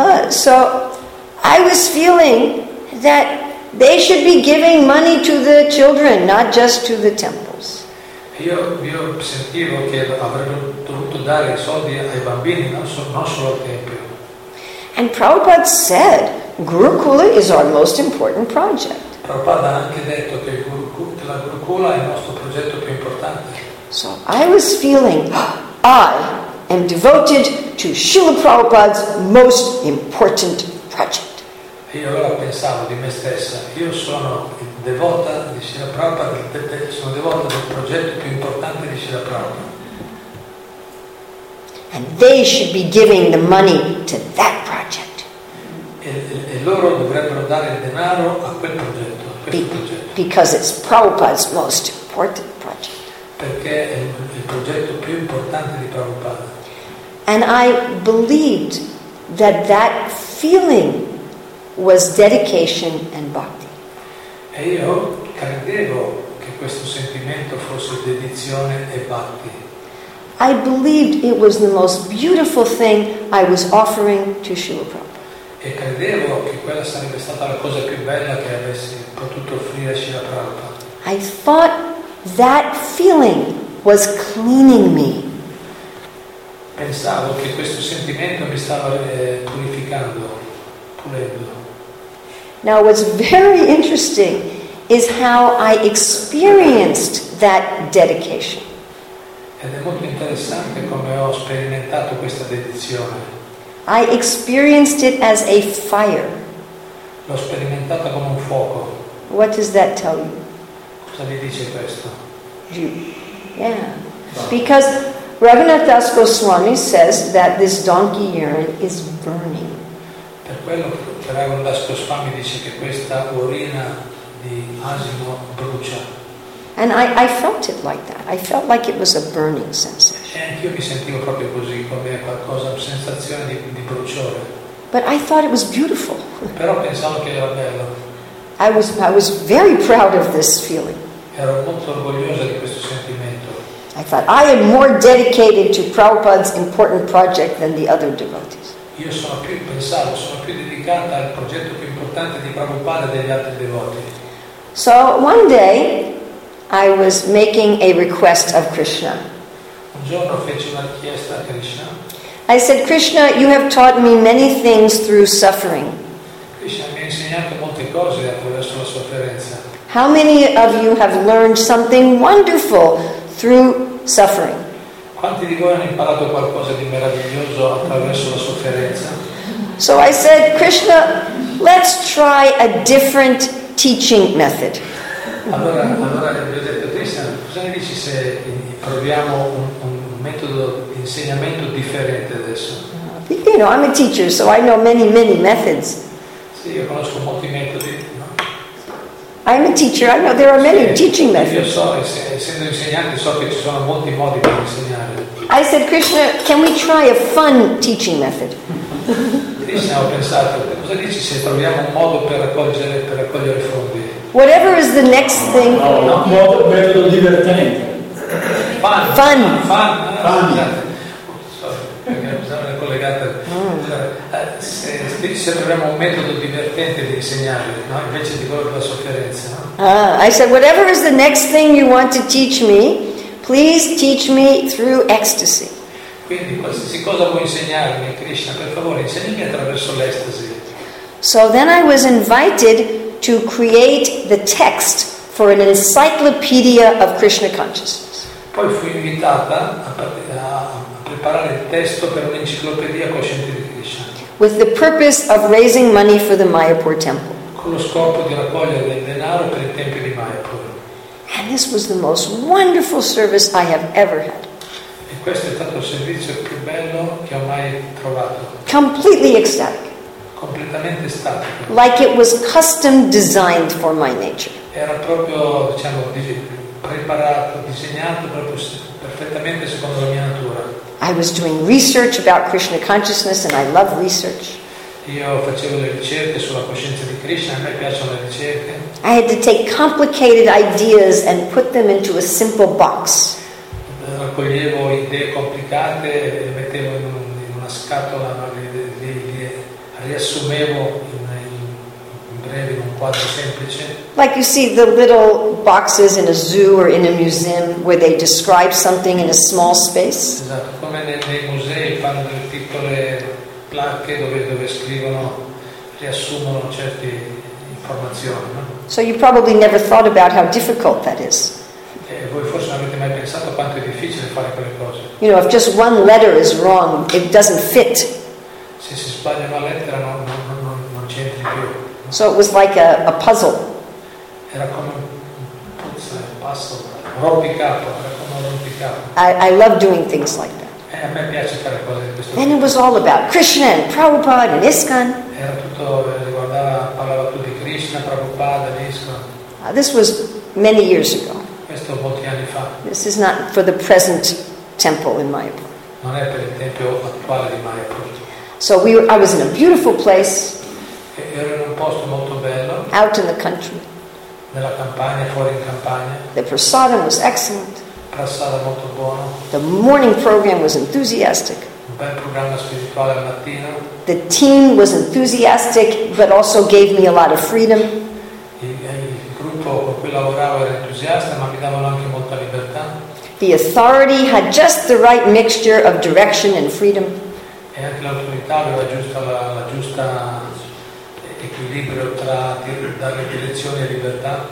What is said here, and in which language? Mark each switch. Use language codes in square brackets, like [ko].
[en] So I was feeling that they should be giving money to the children, not just to the temples. [it] Io sentivo che avrebbero dovuto dare soldi ai bambini, non solo al tempio. [en] And Prabhupada said, Gurukula is our most important project. [it] Prabhupada ha anche detto che la Gurukula è il nostro progetto più importante. [en] So I was feeling, I am devoted to Srila Prabhupada's most important project. [it] Io allora pensavo di me stessa, io sono devota di Srila Prabhupada, sono devota del progetto più importante di Srila Prabhupada. [en] And they should be giving the money to that project. [it] E loro dovrebbero dare il denaro a quel progetto, a questo progetto. [en] Because it's Prabhupada's most important project. [it] Perché è il progetto più importante di Prabhupada. [en] And I believed that that feeling was dedication and bhakti. [it] E io credevo che questo sentimento fosse dedizione e bhakti. [en] I believed it was the most beautiful thing I was offering to Srila Prabhupada. [it] E credevo che quella sarebbe stata la cosa più bella che avessi potuto offrire a Srila Prabhupada. [en] I thought that feeling was cleaning me. [it] Pensavo che questo sentimento mi stava purificando, pulendo. [en] Now what's very interesting is how I experienced that dedication. [it] Ed è molto interessante come ho sperimentato questa dedizione. [en] I experienced it as a fire. [it] L'ho sperimentata come un fuoco. [en] What does that tell you? [it] Cosa vi dice questo? [en] You. Yeah. Because Raghunath Das Goswami says that this donkey urine is burning. [it] Per quello che Raghunath Das Goswami dice che questa urina di asino brucia. [en] And I felt it like that. I felt like it was a burning sensation. [it] Io mi sentivo proprio così, come qualcosa, sensazione di bruciore. [en] But I thought it was beautiful. [it] Però pensavo che era bello. [en] I was very proud of this feeling. [it] Ero molto orgogliosa di questo sentimento. [en] I thought I am more dedicated to Prabhupada's important project than the other devotees. [it] Io sono più dedicata al progetto più importante di Prabhupada degli altri devoti. [en] So one day I was making a request of Krishna. [it] Un giorno feci una richiesta a Krishna. [en] I said, Krishna, you have taught me many things through suffering. [it] Krishna mi ha insegnato molte cose attraverso la sofferenza. [en] How many of you have learned something wonderful through suffering? [it] Quanti di voi hanno imparato qualcosa di meraviglioso attraverso la sofferenza? [en] So I said, Krishna, let's try a different teaching method. [it] Allora gli ho detto, Krishna, cosa ne dici se proviamo un metodo di insegnamento differente adesso? [en] You know, I'm a teacher, so I know many, many methods. [it] Sì, io conosco molti metodi, no? [en] I'm a teacher, I know there are many [it] sì, [en] teaching methods. [it] Io so, essendo insegnante, so che ci sono molti modi per insegnare. [en] I said, Krishna, can we try a fun teaching method? [it] Krishna, ho pensato, cosa dici se troviamo un modo per raccogliere fondi? [en] Whatever is the next thing. [it] No, no, metodo divertente. [en] Fun. Fun. Sorry, [it] collegata. Se troviamo un metodo divertente di insegnare, no? Invece di quello della sofferenza, no? [en] I said, whatever is the next thing you want to teach me, please teach me through ecstasy. [it] Quindi qualsiasi cosa vuoi insegnarmi, Krishna, per favore, insegnami attraverso l'estasi. [en] So then I was invited to create the text for an encyclopedia of Krishna consciousness. [it] Poi fui invitata a preparare il testo per un'enciclopedia cosciente di Krishna. [en] With the purpose of raising money for the Mayapur temple. [it] Con lo scopo di raccogliere denaro per il tempio di Mayapur. [en] And this was the most wonderful service I have ever had. [it] E questo è stato il servizio più bello che ho mai trovato. [en] Completely ecstatic. [it] Completamente statico. [en] Like it was custom designed for my nature. [it] Era proprio, diciamo, preparato, disegnato proprio perfettamente secondo la mia natura. [en] I was doing research about Krishna consciousness, and I love research. [it] Io facevo le ricerche sulla coscienza di Krishna, a me piacciono le ricerche. [en] I had to take complicated ideas and put them into a simple box. [it] Raccoglievo idee complicate e le mettevo in una scatola, le riassumevo in breve, in un quadro semplice. [en] Like you see the little boxes in a zoo or in a museum where they describe something in a small space. [it] Esatto, come nei musei fanno delle piccole placche dove scrivono, riassumono certe informazioni, no? [en] So you probably never thought about how difficult that is. [it] Voi forse non avete mai pensato quanto è difficile fare quelle cose. [en] You know, if just one letter is wrong, it doesn't fit. [it] Se si sbaglia una lettera non c'entri più. [en] So it was like a puzzle. [it] Era come un puzzle, rompicapo, era come un rompicapo. [en] I love doing things like that. [it] A me piace fare cose di questo. [en] Then it was all about Krishna and Prabhupada and ISKCON. [it] Era tutto riguardava, parlava tutto di Krishna, Prabhupada, ISKCON. [en] This was many years ago. [it] Questo molti anni fa. [en] This is not for the present temple in Mayapur. [it] Non è per il tempio attuale di Mayapur. [en] So I was in a beautiful place. [it] Era in un posto molto bello. [en] Out in the country. [it] Nella campagna, fuori in campagna. [en] The prasadam was excellent. [it] Prasada molto buono. [en] The morning program was enthusiastic. [it] Un bel programma spirituale al mattino. [en] The team was enthusiastic, but also gave me a lot of freedom. [it] Il gruppo con cui lavoravo era entusiasta, ma mi davano anche molta libertà. [en] The authority had just the right mixture of direction and freedom. [it] E anche l'autorità aveva giusta la giusta equilibrio tra dare direzione e libertà.